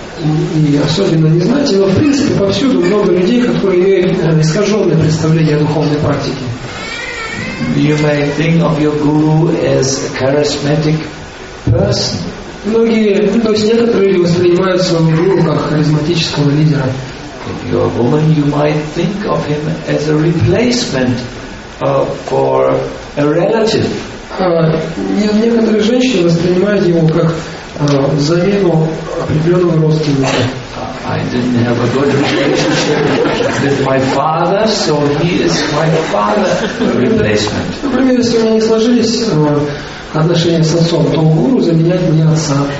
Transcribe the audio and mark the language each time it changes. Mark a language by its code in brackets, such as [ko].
[ru] И особенно не знаете, но в принципе повсюду много людей, которые имеют искаженное представление о духовной практике. [en] You may think of your guru as a charismatic person. [ru] Многие, то есть некоторые люди воспринимают своего гуру как харизматического лидера. [en] If you're a woman, you might think of him as a replacement for a relative. [ru] Некоторые женщины воспринимают его как замену определенного родственника. [en] I didn't have a good relationship with my father, so he is my father replacement. [ru] Например, если у меня не сложились отношения с отцом, то гуру заменяет мне отца.